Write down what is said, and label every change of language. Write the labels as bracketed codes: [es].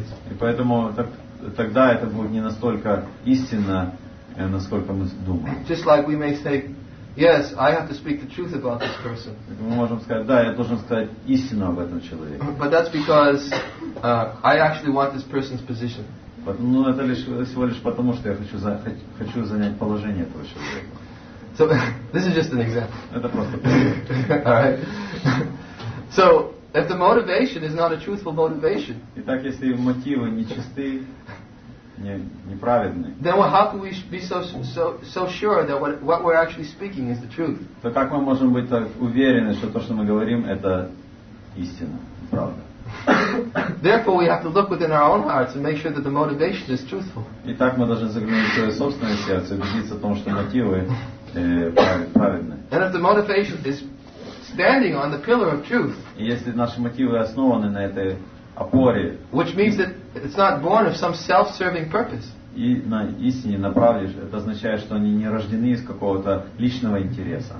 [ru] И поэтому тогда это будет не настолько истинно, насколько мы думаем. [en] Just like we may say, yes, I have to speak the truth about this person. [ru] Мы можем сказать, да, я должен сказать истину об этом человеке. [en] But that's because I actually want this person's position. [ru] Ну, это всего лишь потому, что я хочу занять положение этого человека. [en] So, this is just an example. [ru] Это просто пример. Alright. [en] So, if the motivation is not a truthful motivation, [ru] итак, если мотивы нечисты, неправедны, [en] then how can we be so sure that what we're actually speaking is the truth? [ru] То как мы можем быть так уверены, что то, что мы говорим, это истина, правда? [en] Therefore, we have to look within our own hearts and make sure that the motivation is truthful. [ru] Итак, мы должны заглянуть в свое собственное сердце, убедиться в том, что мотивы праведны. [en] And if the motivation is standing on the pillar of truth, [ru] если наши мотивы основаны на этой опоре, [en] which means that it's not born of some self-serving purpose. [ru] И на истине направишь, это означает, что они не рождены из какого-то личного интереса.